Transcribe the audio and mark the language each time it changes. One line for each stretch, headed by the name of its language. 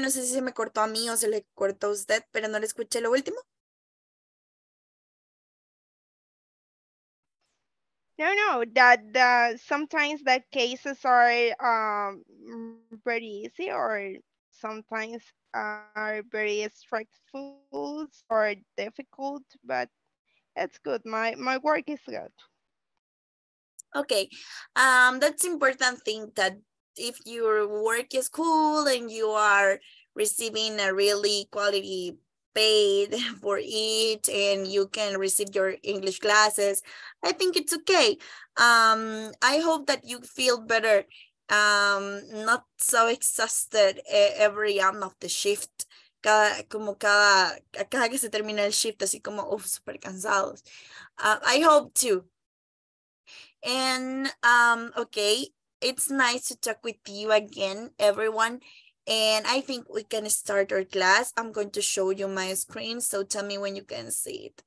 Spanish: No sé si se me cortó a mí o se le cortó a usted, pero no le escuché lo último.
English: No, no, that sometimes the cases are very easy, or sometimes are very stressful or difficult, but it's good. My work is good. Okay. That's important thing, that if your work is cool and you are receiving a really quality paid for it and you can receive your English classes, I think it's okay. I hope that you feel better, not so exhausted every end of the shift.
Spanish: Cada que se termina el shift, así como, uff, super cansados.
English: I hope to. And, okay, it's nice to talk with you again, everyone. And I think we can start our class. I'm going to show you my screen, so tell me when you can see it.